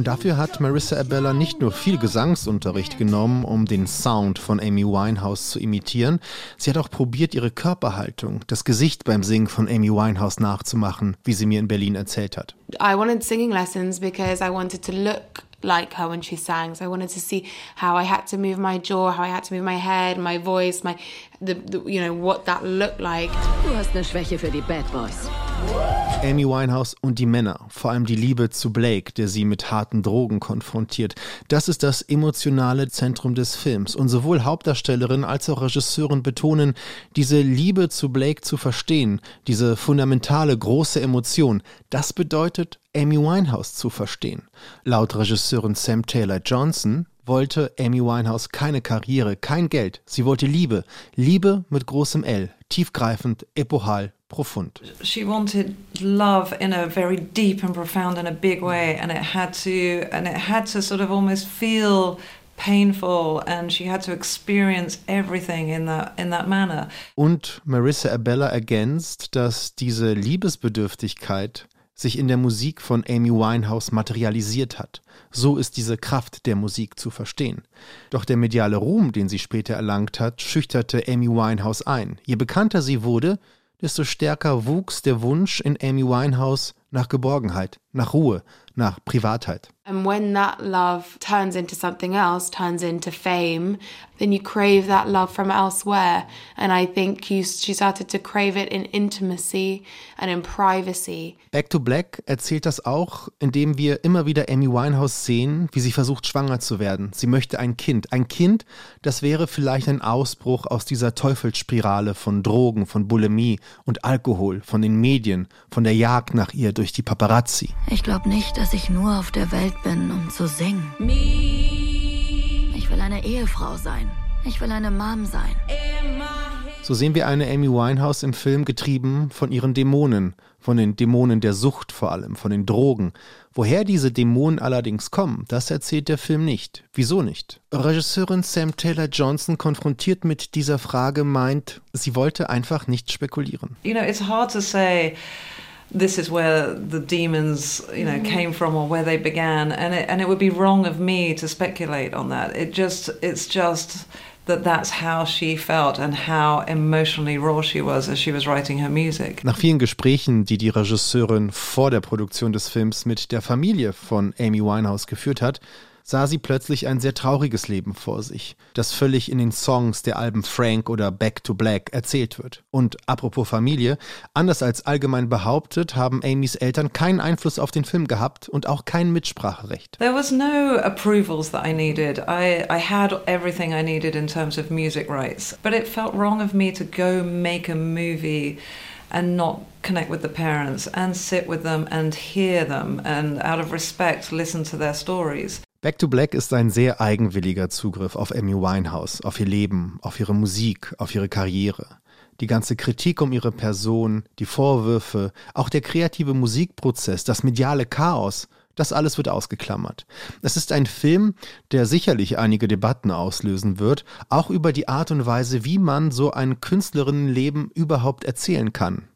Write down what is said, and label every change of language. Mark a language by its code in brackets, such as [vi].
[de] Und dafür hat Marissa Abella nicht nur viel Gesangsunterricht genommen, um den Sound von Amy Winehouse zu imitieren, sie hat auch probiert, ihre Körperhaltung, das Gesicht beim Singen von Amy Winehouse nachzumachen, wie sie mir in Berlin erzählt hat. [en] I wanted singing lessons because I wanted to look like her when she sang. So I wanted to see how I had to move my jaw, how I had to move my head, my voice, my, the, you know, what that looked like. [de] Du hast eine Schwäche für die Bad Boys. Amy Winehouse und die Männer, vor allem die Liebe zu Blake, der sie mit harten Drogen konfrontiert. Das ist das emotionale Zentrum des Films. Und sowohl Hauptdarstellerin als auch Regisseurin betonen, diese Liebe zu Blake zu verstehen, diese fundamentale große Emotion, das bedeutet, Amy Winehouse zu verstehen. Laut Regisseurin Sam Taylor-Johnson wollte Amy Winehouse keine Karriere, kein Geld. Sie wollte Liebe. Liebe mit großem L, tiefgreifend, epochal. Profund. [en] She wanted love in a very deep and profound and a big way, and it had to sort of almost feel painful, and she had to experience everything in that manner. [de] Und Marissa Abella ergänzt, dass diese Liebesbedürftigkeit sich in der Musik von Amy Winehouse materialisiert hat. So ist diese Kraft der Musik zu verstehen. Doch der mediale Ruhm, den sie später erlangt hat, schüchterte Amy Winehouse ein. Je bekannter sie wurde, desto stärker wuchs der Wunsch in Amy Winehouse nach Geborgenheit, nach Ruhe, nach Privatheit. [en] And when that love turns into something else, turns into fame, then you crave that love from elsewhere. And I think she started to crave it in intimacy and in privacy. [de] Back to Black erzählt das auch, indem wir immer wieder Amy Winehouse sehen, wie sie versucht, schwanger zu werden. Sie möchte ein Kind. Ein Kind, das wäre vielleicht ein Ausbruch aus dieser Teufelsspirale von Drogen, von Bulimie und Alkohol, von den Medien, von der Jagd nach ihr durch die Paparazzi. Ich glaube nicht, dass ich nur auf der Welt bin, um zu singen. Ich will eine Ehefrau sein. Ich will eine Mom sein. So sehen wir eine Amy Winehouse im Film getrieben von ihren Dämonen, von den Dämonen der Sucht vor allem, von den Drogen. Woher diese Dämonen allerdings kommen, das erzählt der Film nicht. Wieso nicht? Regisseurin Sam Taylor-Johnson, konfrontiert mit dieser Frage, meint, sie wollte einfach nicht spekulieren. [en] You know, it's hard to say, this is where the demons, you know, came from or where they began, and it would be wrong of me to speculate on that. It's just that's how she felt and how emotionally raw she was as she was writing her music. [de] Nach vielen Gesprächen, die die Regisseurin vor der Produktion des Films mit der Familie von Amy Winehouse geführt hat, sah sie plötzlich ein sehr trauriges Leben vor sich, das völlig in den Songs der Alben Frank oder Back to Black erzählt wird. Und apropos Familie, anders als allgemein behauptet, haben Amys Eltern keinen Einfluss auf den Film gehabt und auch kein Mitspracherecht. [en] There was no approvals that I needed. I had everything I needed in terms of music rights. But it felt wrong of me to go make a movie and not connect with the parents and sit with them and hear them and out of respect listen to their stories. [de] Back to Black ist ein sehr eigenwilliger Zugriff auf Amy Winehouse, auf ihr Leben, auf ihre Musik, auf ihre Karriere. Die ganze Kritik um ihre Person, die Vorwürfe, auch der kreative Musikprozess, das mediale Chaos, das alles wird ausgeklammert. Es ist ein Film, der sicherlich einige Debatten auslösen wird, auch über die Art und Weise, wie man so ein Künstlerinnenleben überhaupt erzählen kann.